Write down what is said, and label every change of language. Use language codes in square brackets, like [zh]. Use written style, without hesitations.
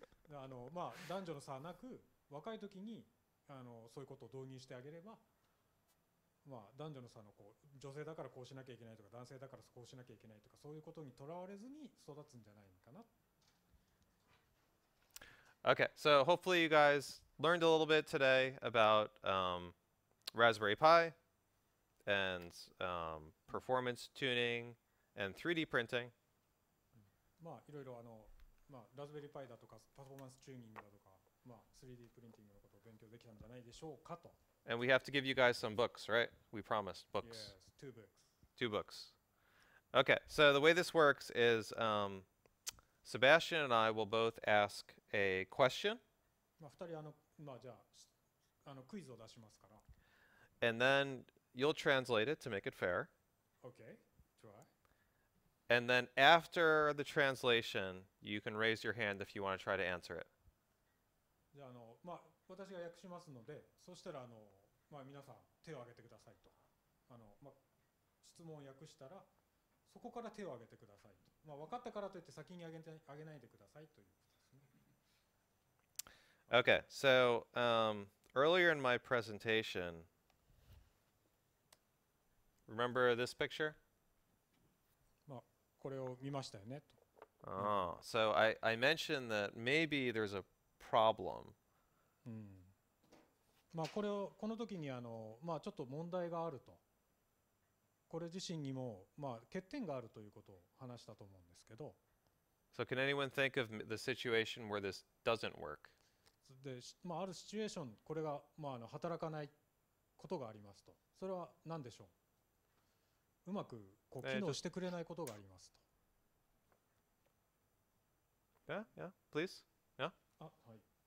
[ja] まあ、男女の差なく、若い時にそういうことを導入してあげれば、まあ、男女の差のこう、女性だからこうしなきゃいけないとか、男性だからこうしなきゃいけないとか、そういうことにとらわれずに育つんじゃないかな。 [en] Okay, so hopefully you guys learned a little bit today about Raspberry Pi and performance tuning and 3D printing. [ja] まあいろいろまあ Raspberry Pi だとかパフォーマンスチューニングだとかまあ 3D プリンティングのことを勉強できたんじゃないでしょうかと。 [en] And we have to give you guys some books, right? We promised books. Yes, two books. Two books. Okay, so the way this works is Sebastian and I will both ask a question. [ja] まあ二人まあじゃあクイズを出しますから。 [en] And then you'll translate it to make it fair. Okay, try. And then after the translation, you can raise your hand if you want to try to answer it. [ja] じゃあまあ私が訳しますので、そしたらまあ皆さん手を挙げてくださいと。まあ質問を訳したら、そこから手を挙げてくださいと。まあ分かったからといって先に挙げないでくださいということですね。 [en] Okay, so earlier in my presentation, remember this picture? [ja] まあこれを見ましたよねと。 [en] Oh, so I mentioned that maybe there's a problem. [ja] うん。まあこれをこの時にまあちょっと問題があると。これ自身にも、まあ、欠点があるということを話したと思うんですけど。 [en] So can anyone think of the situation where this doesn't work? [ja] で、まあ、あるシチュエーション、これが、まあ、働かないことがありますと。それは何でしょう？うまくこう機能してくれないことがありますと。 [en] Yeah, yeah, please. Yeah. [ja] あ、はい。